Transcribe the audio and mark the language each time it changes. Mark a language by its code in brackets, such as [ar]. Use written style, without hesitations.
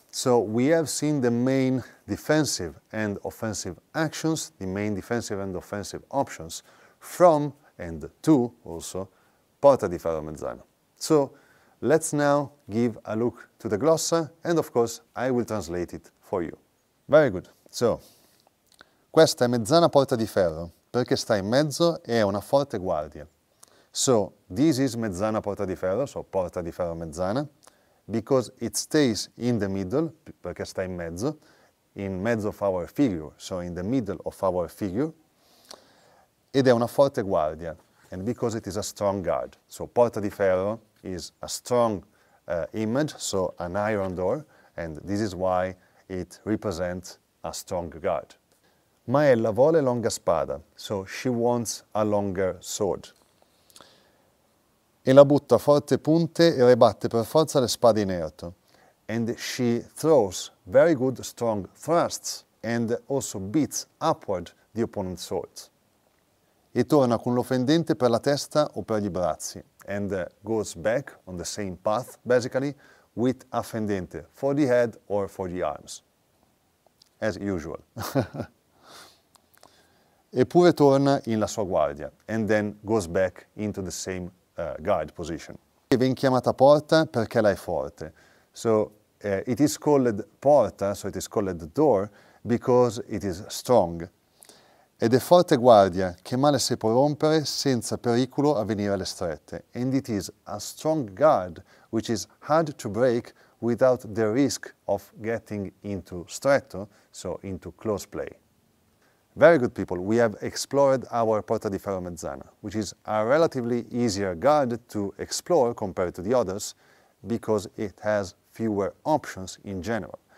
[en] So we have seen the main defensive and offensive actions, the main defensive and offensive options from and to also Porta di Ferro Mezzana. So let's now give a look to the glossa, and of course I will translate it for you. Very good. [it] So, questa è Mezzana Porta di Ferro perché sta in mezzo e è una forte guardia. [en] So, this is Mezzana Porta di Ferro, so Porta di Ferro Mezzana, because it stays in the middle, [it] perché sta in mezzo [en] of our figure, so in the middle of our figure, [it] ed è una forte guardia, [en] and because it is a strong guard. So, Porta di Ferro is a strong image, so an iron door, and this is why it represents a strong guard. [it] Ma ella vuole longa spada, [en] so she wants a longer sword. [it] E la butta forte punte e rebatte per forza le spade in erto. [en] And she throws very good strong thrusts and also beats upward the opponent's sword. [it] E torna con l'offendente per la testa o per gli brazzi. [en] And goes back on the same path, basically, with a fendente for the head or for the arms. As usual. [it] Eppure torna in la sua guardia. [en] And then goes back into the same guard position. [it] E viene chiamata porta perché lei è forte. So [en] It is called porta, so it is called the door, because it is strong. [it] Ed è forte guardia, che male si può rompere senza pericolo a venire alle strette. [en] And it is a strong guard, which is hard to break without the risk of getting into stretto, so into close play. Very good people, we have explored our Porta di Ferro Mezzana, which is a relatively easier guard to explore compared to the others, because it has fewer options in general.